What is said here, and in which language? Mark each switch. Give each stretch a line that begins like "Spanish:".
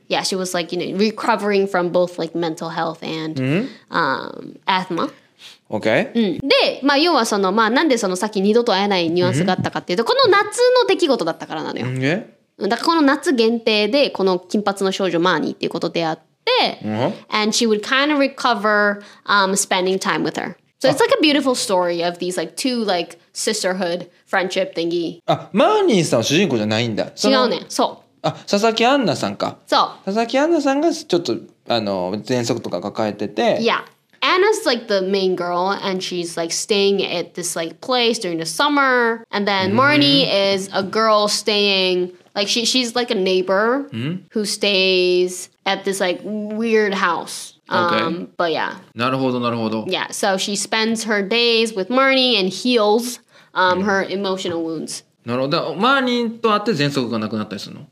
English: Yeah, she was like, you know, recovering from both like mental health and、mm-hmm. Asthma. Okay.
Japanese: で、まあ要はその、まあなんでそのさっき二度と会えないニュアンスがあったかっていうと、この夏の出来事だったからなのよ。
English: Mm-hmm.
Japanese: だからこの夏限定でこの金髪の少女マーニーっていうことであって、 And she would kind of recover spending time with her.
English: So it's like a beautiful story of these like two like sisterhood friendship thingy.
Japanese: あ、マーニーさんは主人公じゃないんだ。違うね。そう。あ、佐々木杏奈さんか。そう。佐々木杏奈さんがちょっとあの喘息とか抱えてて。
English: Yeah. Anna's like the main girl and she's like staying at this like place during the summer. And then Marnie is a girl staying like she's like a neighbor who stays at this like weird house. But yeah.
Japanese: なるほどなるほど。
English: Yeah, so she spends her days with Marnie and heals her emotional wounds.
Japanese: なるほど。マーニーと会って喘息がなくなったりするの？